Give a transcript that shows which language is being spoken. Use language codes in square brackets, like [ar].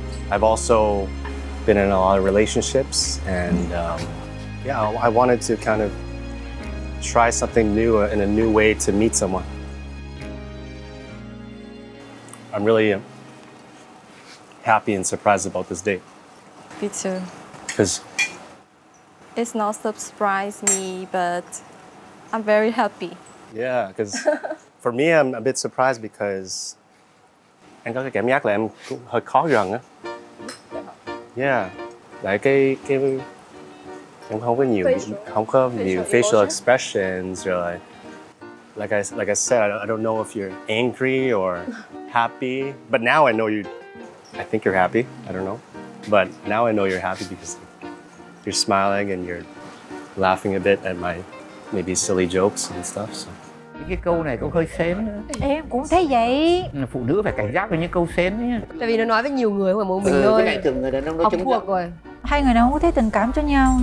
[en] I've also been in a lot of relationships, and I wanted to kind of try something new in a new way to meet someone. I'm really happy and surprised about this date. Me too. Because it's not surprised me, but I'm very happy. Yeah, because for me, I'm a bit surprised because [vi] anh có cái cảm giác là em hơi khó gần á. [en] Yeah, [vi] lại cái em không có nhiều [en] facial expressions, rồi like I said, I don't know if you're angry or happy, but now I know you. I think you're happy. I don't know, but now I know you're happy because you're smiling and you're laughing a bit at my maybe silly jokes and stuff. So. [vi] Cái câu này cũng hơi sến nữa. Em cũng thấy vậy. Phụ nữ phải cảnh giác với những câu sến nhá. Tại vì nó nói với nhiều người không phải một mình thôi. Cái này thường người đàn ông nó chứng thuộc rồi. Hai người nào không có thấy tình cảm cho nhau.